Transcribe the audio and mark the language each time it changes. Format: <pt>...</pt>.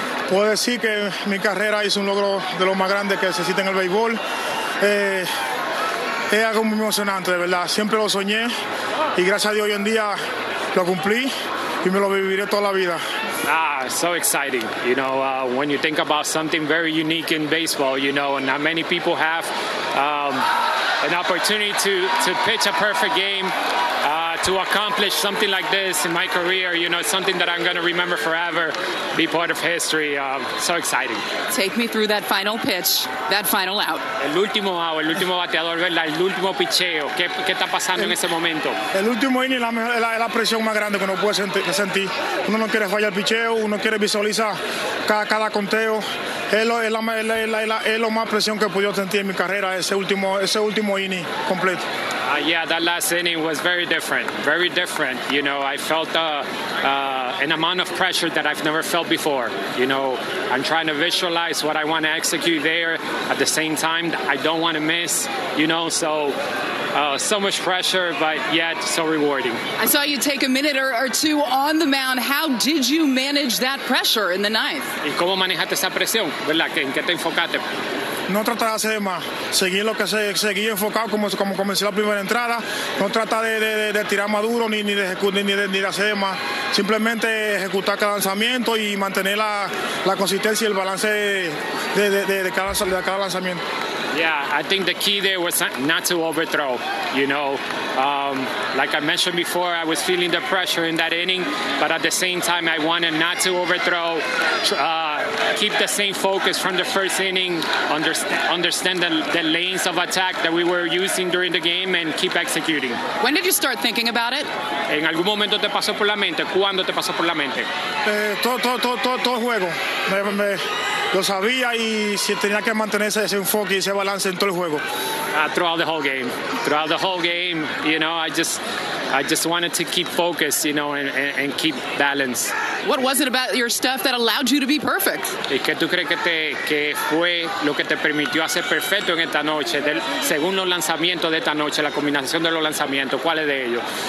<es>Puedo decir que mi carrera es un logro de los más grandes que se existe en el béisbol. Es algo muy emocionante, de verdad. Siempre lo soñé y gracias a Dios hoy en día lo cumplí y me lo viviré toda la vida.</es> <en>Ah, so exciting. You know, when you think about something very unique in baseball, you know, and not many people have an opportunity to pitch a perfect game, to accomplish something like this in my career, you know, something that I'm going to remember forever, be part of history. So exciting. Take me through that final pitch, that final out.</en> <es>El último out, el último bateador, ¿verdad? El último picheo. ¿Qué está pasando en ese momento? El último inning, la presión más grande que uno puede sentir. Uno no quiere fallar el picheo, uno quiere visualizar cada conteo. Es lo más presión que he podido sentir en mi carrera, ese último inning completo.</es> <en>Yeah, that last inning was very different. Very different. You know, I felt an amount of pressure that I've never felt before. You know, I'm trying to visualize what I want to execute there. At the same time, I don't want to miss, you know, so much pressure, but yet so rewarding. I saw you take a minute or two on the mound. How did you manage that pressure in the ninth?</en> <es>¿Y cómo manejaste esa presión? ¿Verdad? ¿En qué te enfocaste? No tratar de hacer más, seguir enfocado como comencé la primera entrada, no tratar de tirar más duro ni de hacer más, simplemente ejecutar cada lanzamiento y mantener la consistencia y el balance de cada lanzamiento.</es> <en>Yeah, I think the key there was not to overthrow, you know. Like I mentioned before, I was feeling the pressure in that inning, but at the same time, I wanted not to overthrow, keep the same focus from the first inning, understand the lanes of attack that we were using during the game, and keep executing. When did you start thinking about it?</en> <es>¿En algún momento te pasó por la mente? ¿Cuándo te pasó por la mente? Todo juego. Lo sabía y tenía que mantener ese enfoque y ese balance en todo el juego.</es> <en>Throughout the whole game, you know, I just wanted to keep focus, you know, and keep balance. What was it about your stuff that allowed you to be perfect?</en> <es>¿Y qué tú crees que fue lo que te permitió hacer perfecto en esta noche? Según los lanzamientos de esta noche, la combinación de los lanzamientos, ¿cuál es de ellos?</es>